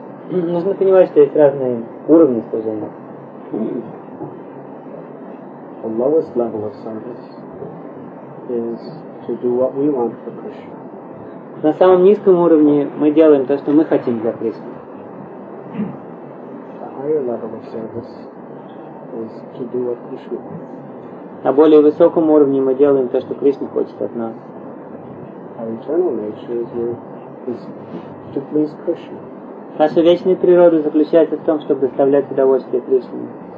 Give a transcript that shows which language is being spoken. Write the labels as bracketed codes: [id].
[ru] Нужно понимать, что есть разные уровни служения. [en] The lowest level of service is to do what we want for Krishna. [ru] На самом низком уровне мы делаем то, что мы хотим для Кришны. [en] The higher level of service is to do what Krishna wants. [ru] На более высоком уровне мы делаем то, что Кришна хочет от нас. [en] Our eternal nature is to please Krishna. [ru] Наша вечная природа заключается в том, чтобы доставлять удовольствие Кришне.